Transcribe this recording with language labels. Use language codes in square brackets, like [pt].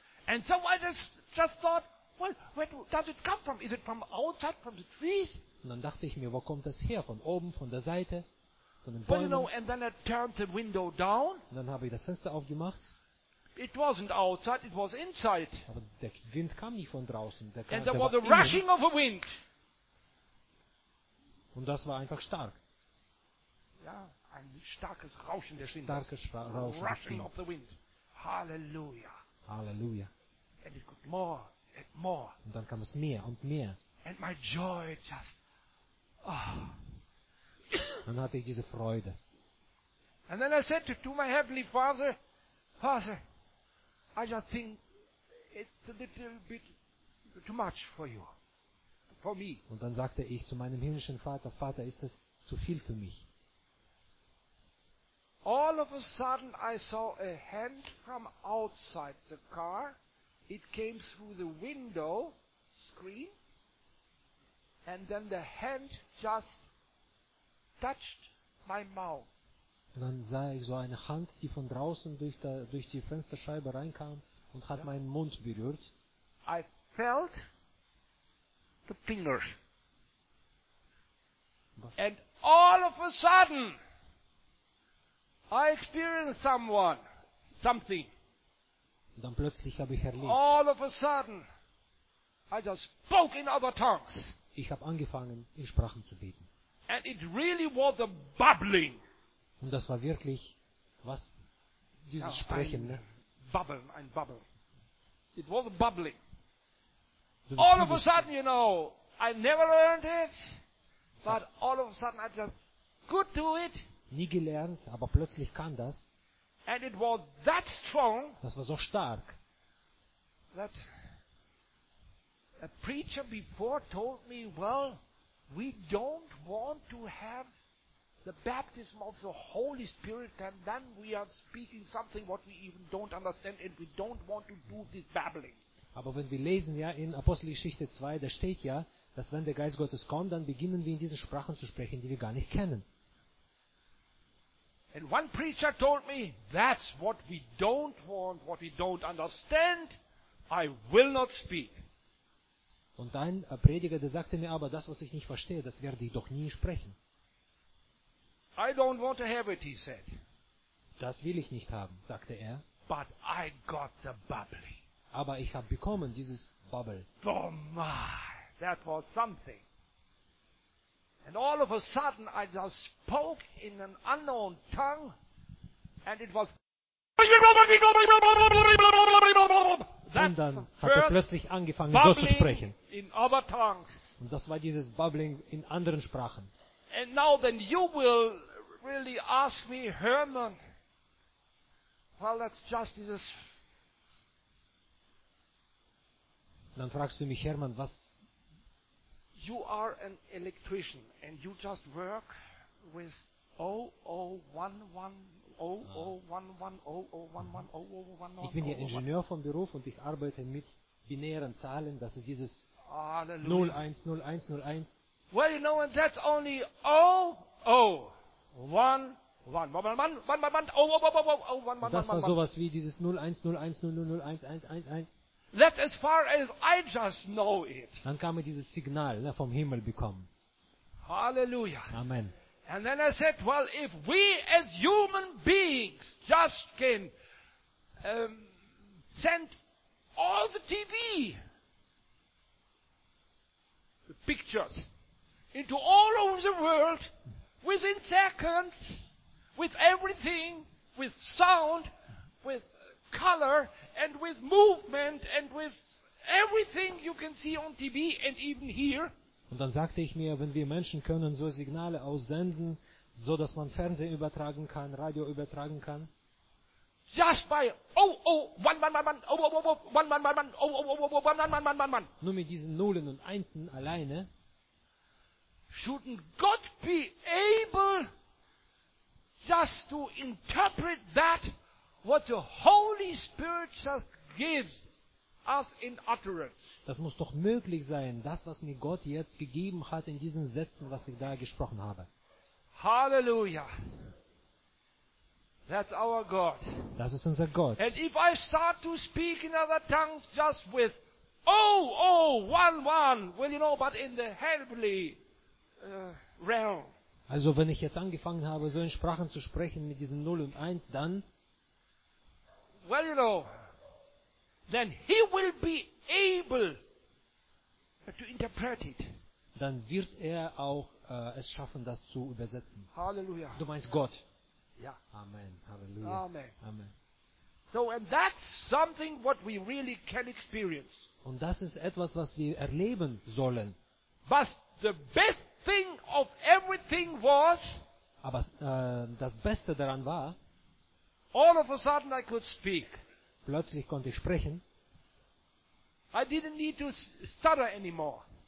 [en] And so I just thought, well, where does it come from? Is it from outside, from the trees? [de] Und dann dachte ich mir, wo kommt das her? Von oben, von der Seite, von den Bäumen. [en] Well, you know, and then I turned the window down. [de] Und dann habe ich das Fenster aufgemacht. [en] It wasn't outside, it was inside. [de] Aber der Wind kam nicht von draußen. Der kam, [en] and there [de] der [en] was a rushing of a wind. [de] Und das war einfach stark. Ja, ein starkes Rauschen des Windes. Starkes Rauschen. [en] Rushing of the wind. Halleluja. Halleluja. And it got more and more. [de] Und dann kam es mehr und mehr. [en] And my joy just, oh. [de] Dann hatte ich diese Freude. [en] And then I said to my heavenly Father, I just think it's a little bit too much for you, for me. [de] Und dann sagte ich zu meinem himmlischen Vater, ist das zu viel für mich? [en] All of a sudden I saw a hand from outside the car. It came through the window screen. And then the hand just touched my mouth. [de] Und dann sah ich so eine Hand, die von draußen durch die Fensterscheibe reinkam und hat meinen Mund berührt. [en] I felt the finger. And all of a sudden I experienced someone, something. [de] Und dann plötzlich habe ich erlebt. [en] All of a sudden I just spoke in other tongues. [de] Ich habe angefangen, in Sprachen zu beten. [en] And it really was a bubbling. [de] Und das war wirklich, was dieses Sprechen, ne? Ein Bubble. [en] It was a bubbling. So all of a sudden, you know, I never learned it, but all of a sudden I just could do it. [de] Nie gelernt, aber plötzlich kam das. [en] And it was that strong. [de] Das war so stark. [en] That a preacher before told me, well, we don't want to have the baptism of the Holy Spirit, and then we are speaking something what we even don't understand, and we don't want to do this babbling. [de] Aber wenn wir lesen, ja, in Apostelgeschichte 2, da steht ja, dass wenn der Geist Gottes kommt, dann beginnen wir in diesen Sprachen zu sprechen, die wir gar nicht kennen. [en] And one preacher told me, that's what we don't want, what we don't understand, I will not speak. [de] Und ein Prediger, der sagte mir, aber das, was ich nicht verstehe, das werde ich doch nie sprechen. [en] I don't want to have it, he said. [de] Das will ich nicht haben, sagte er. [en] But I got the bubbly. [de] Aber ich habe bekommen dieses Bubble. [en] Oh my, that was something. And all of a sudden I just spoke in an unknown tongue and it was... [de] Und dann hat er plötzlich angefangen, so zu sprechen. Und das war dieses Bubbling in anderen Sprachen. [en] And now then you will really ask me, Hermann, well, that's just this. [de] Dann fragst du mich, Hermann, was? [en] You are an electrician and you just work with 0011 0011 0011 0011 0011. [de] Ich bin ja Ingenieur von Beruf und ich arbeite mit binären Zahlen, das ist dieses 010101. [en] Well, you know, and that's only 0011 0011 0011 0011. [de] Das war sowas wie dieses 0101001111. [en] That as far as I just know it. [de] Dann kam mir dieses Signal, ne, vom Himmel bekommen. Halleluja. Amen. [en] And then I said, well, if we as human beings just can send all the TV the pictures into all over the world within seconds, with everything, with sound, with color, and with movement, and with everything you can see on TV and even here. [de] Und dann sagte ich mir, wenn wir Menschen können so Signale aussenden, so dass man Fernsehen übertragen kann, Radio übertragen kann. [en] Just by one man. [de] Nur mit diesen Nullen und Einsen alleine. [en] Shouldn't God be able just to interpret that what the Holy Spirit just gives us in utterance? [de] Das muss doch möglich sein, das, was mir Gott jetzt gegeben hat in diesen Sätzen, was ich da gesprochen habe. Halleluja. [en] That's our God. [de] Das ist unser Gott. [en] And if I start to speak in other tongues just with oh, one, well, you know, but in the heavenly realm. [de] Also wenn ich jetzt angefangen habe, so in Sprachen zu sprechen mit diesen 0 und 1, dann, [en] well, you know, then he will be able to interpret it. [de] Dann wird er auch es schaffen, das zu übersetzen. Halleluja. Du meinst Gott. Ja. Amen. Halleluja. Amen. Amen. [en] So, and that's something what we really can experience. [de] Und das ist etwas, was wir erleben sollen. [en] But the best thing of everything was, [de] aber das Beste daran war, [en] all of a sudden I could speak. [de] Plötzlich konnte ich sprechen. [en] I didn't need to stutter anymore.